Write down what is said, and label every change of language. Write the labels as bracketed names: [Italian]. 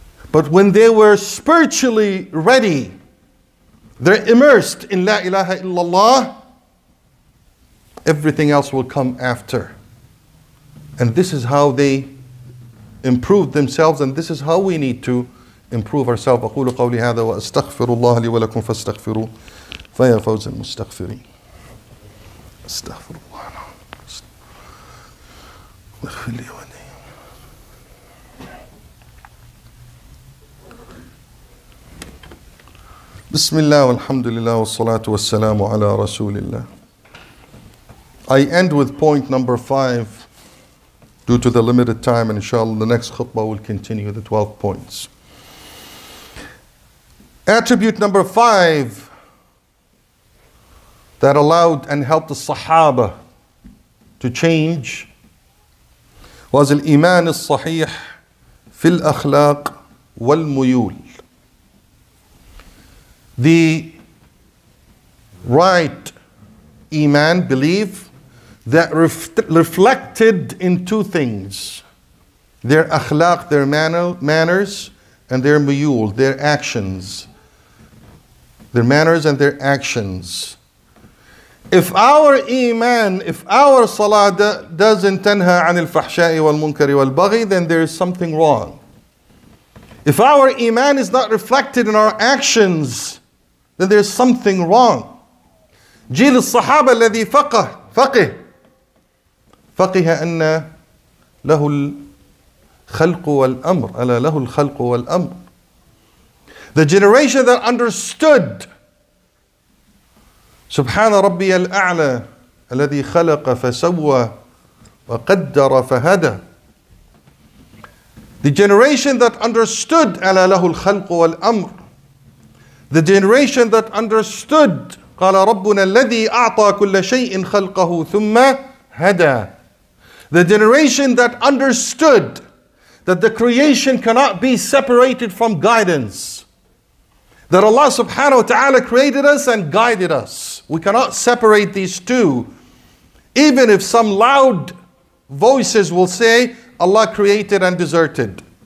[English] But when they were spiritually ready, they're immersed in La ilaha illallah, everything else will come after. And this is how they improve themselves, and this is how we need to improve ourselves. [Arabic] أقول قولي هذا وأستغفر الله لي ولكم فاستغفروا فيا فوز المستغفرين. أستغفر الله واغفر لي ولي. بسم الله والحمد لله والصلاة والسلام على رسول الله. [English] I end with point number 5 due to the limited time, and inshallah the next khutbah will continue the 12 points. Attribute number 5 that allowed and helped the Sahaba to change was [Arabic] al-Iman al-Sahih fi al-Akhlaq wal-Muyul. [English] The right iman, belief, that reflected in two things: their akhlaq, their manners, and their muyul, their actions. Their manners and their actions. If our iman, if our salah doesn't [Arabic] tanha an al-fahsha'i wal-munkari wal-baghi, [English] then there is something wrong. If our iman is not reflected in our actions, then there's something wrong. [Arabic] جيل الصحابة الذي فقه فقه فقه أن له الخلق والأمر ألا له الخلق والأمر. [English] The generation that understood [Arabic] سبحان ربي الأعلى الذي خلق فسوى وقدر فهدى. [English] The generation that understood [Arabic] ألا له الخلق والأمر. [English] The generation that understood, [Arabic] قال ربنا الذي أعطى كل شيء خلقه ثم هدى. [English] The generation that understood that the creation cannot be separated from guidance. that Allah subhanahu wa ta'ala created us and guided us. We cannot separate these two. Even if some loud voices will say, Allah created and deserted.